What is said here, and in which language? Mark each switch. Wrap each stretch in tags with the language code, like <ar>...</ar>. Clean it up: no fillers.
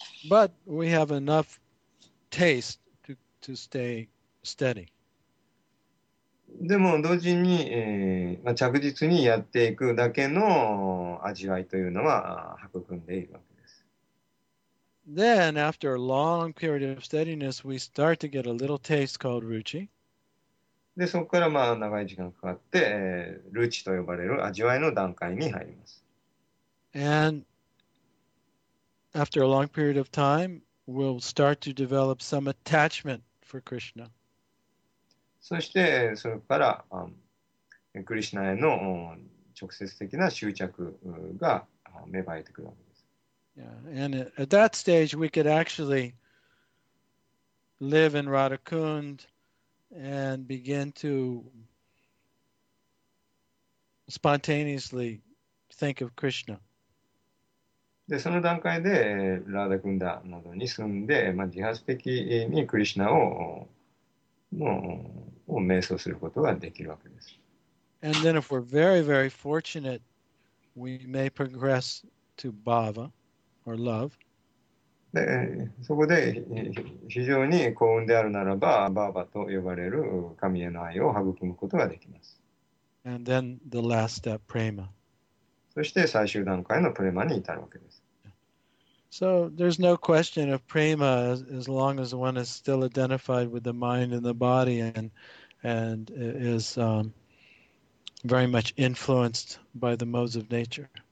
<en>But we have enough taste to stay steady.</en> <ja>でも同時に、着実にやっていくだけの味わいというのは育んでいるわけです。</ja> <en>Then after a long period of steadiness, we start to get a little taste called ruchi.</en> <ja>でそこからまあ長い時間かかって、ルーチと呼ばれる味わいの段階に入ります。</ja> <en>And after a long period of time, we'll start to develop some attachment for Krishna.</en> <ja>そしてそれからクリシナへの直接的な執着が芽生えてくるわけです。</ja> <en>Yeah. And at that stage, we could actually live in Radhakund and begin to spontaneously think of Krishna.</en> <ja>で、その段階でラダクンダなどに住んで、まあ、自発的にクリシナを、瞑想することができるわけです。</ja> <en>And then if we're very, very fortunate, we may progress to bhava, or love.</en> <ja>で、そこで非常に幸運であるならば、バーバと呼ばれる神への愛を育むことができます。</ja> <en>And then the last step, prema.</en> <ja>そして最終段階のプレマに至るわけです。</ja> <en>So there's no question of prema as long as one is still identified with the mind and the body and is very much influenced by the modes of nature.</en>